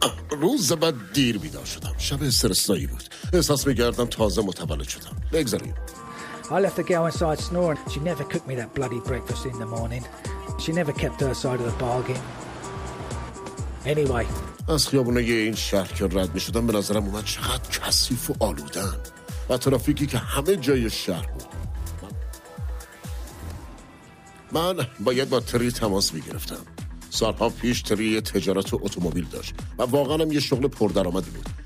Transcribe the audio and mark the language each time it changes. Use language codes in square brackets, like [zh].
[fa] روز بعد دیر بیدار شدم. شب استرسایی بود. احساس می‌کردم تازه متولد شدم. بگذاریم. [en] I left the girl inside snoring. She never cooked me that bloody breakfast in the morning. She never kept her side of the bargain. Anyway. [fa] از خیابونه این شهر که رد می‌شدم به نظرم اومد چقدر کثیف و آلوده‌ان. و ترافیکی که همه جای شهر بود. من باید با تری تماس می‌گرفتم. سالها پیش تری تجارت اتومبیل داشت و واقعا هم یه شغل پردرآمدی بود.